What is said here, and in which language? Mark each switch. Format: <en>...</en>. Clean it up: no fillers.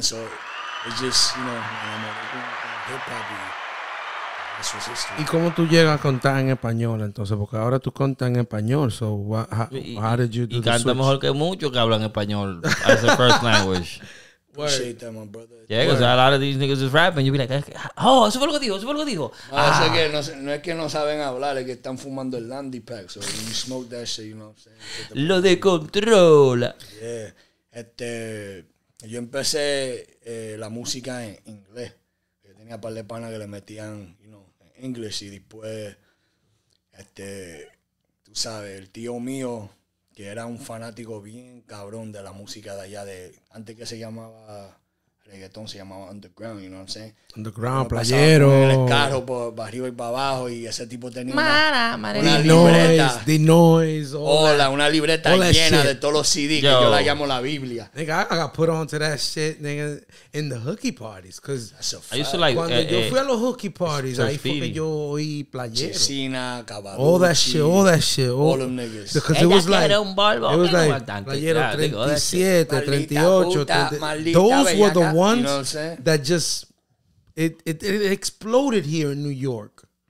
<en>So it's just, you know, man, hip hop.</en> <es>¿Y cómo tú llegas a contar en español entonces? Porque ahora tú contas en español.</es> <en>So how did you do</en> <es>y canta</es> <en>switch?</en> <es>Mejor que muchos que hablan español</es> <en>as a first language. Appreciate that, my brother. Yeah, because a lot of these niggas is rapping. You'd be like, oh,</en> <es>eso fue lo que dijo,</es> <en>eso fue lo que dijo. No es que no saben hablar, es que están fumando el Landy Pack. So when you smoke that shit, you know what I'm saying?</en> <es>Lo de controla. Yeah. Yo empecé la música en inglés. Yo tenía un par de panas que le metían... English y después, tú sabes, el tío mío, que era un fanático bien cabrón de la música de allá, de antes que se llamaba reggaetón, se llamaba underground,</es> <en>you know what I'm saying?</en> <es>Underground, playero. En el carro, para arriba y para abajo, y ese tipo tenía una libreta llena de todos los CDs, que yo la llamo la Biblia.</es> <en>Nigga, I got put onto that shit, nigga, in the hookie parties, because that's a fact. I used to like,</en> <es>cuando yo fui a los hookie parties, ahí fue que yo oí playero. Chesina, Cavalucci.</es> <en>All that shit. All them niggas. Because it was like, playero 37, 38, those were the ones, you know what I'm saying? That just it exploded here in New York.</en>